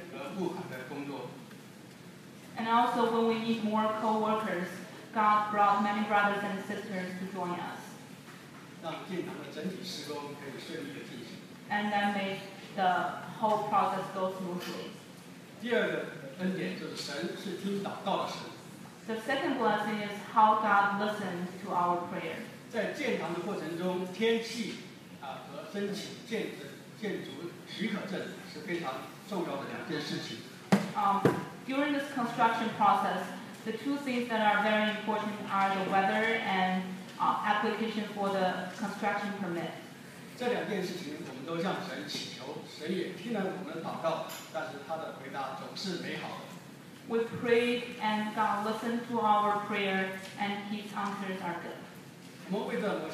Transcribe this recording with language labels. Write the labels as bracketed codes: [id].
[zh] 另外，建堂委员会需要更多的同工时，神就赐给了我们许多弟兄姐妹一起来参与文宣和募款的工作。 [en] And also, when we need more co-workers, God brought many brothers and sisters to join us. [zh] 让建堂的整体施工可以顺利的进行。 [en] And that made the whole process go smoothly. [zh] 第二个恩典就是神是听祷告的神。 [en] The second blessing is how God listens to our prayer. [zh] 在建堂的过程中，天气和申请建筑许可证是非常重要的两件事情。 [en] During this construction process, the two things that are very important are the weather and application for the construction permit. [zh] 这两件事情我们都向神祈求，神也听了我们的祷告，但是他的回答总是美好的。 [en] We prayed and God listened to our prayer, and His answers are good.